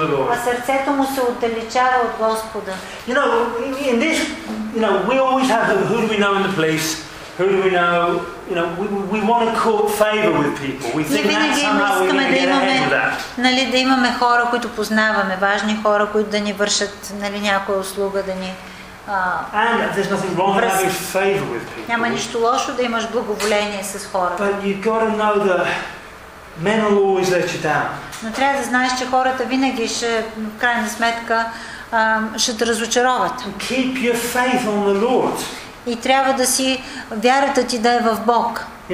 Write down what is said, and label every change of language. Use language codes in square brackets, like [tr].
[bg] А сърцето му се отдалечава от Господа. [en] We always have the, who do we know in the place? Who do we know? We want to court favor with people. We think that somehow we need to get ahead with that. [bg] Нали да имаме хора, които познаваме, важни хора, които да ни вършат, нали, някоя услуга да ни. [en] And there's nothing wrong with having favor with people. [bg] Няма нищо лошо да имаш благоволение с хората. [en] But you've got to know that men will always let you down. [bg] Но трябва да знаеш, че хората винаги ще, в крайна сметка, ще те разочароват. [en] Keep your faith on the Lord. [bg] И трябва да си, вярата ти да е в Бог.